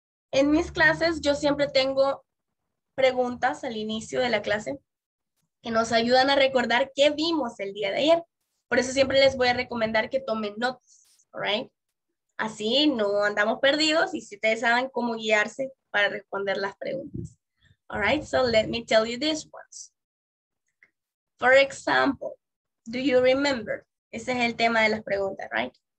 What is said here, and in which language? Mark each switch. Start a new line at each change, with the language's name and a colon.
Spanish: En mis clases, yo siempre tengo preguntas al inicio de la clase que nos ayudan a recordar qué vimos el día de ayer. Por eso siempre les voy a recomendar que tomen notas, all right? Así no andamos perdidos y si ustedes saben cómo guiarse para responder las preguntas.
English: All right, so let me tell you these ones. For example, do you remember?
Spanish: Ese es el tema de las preguntas, right?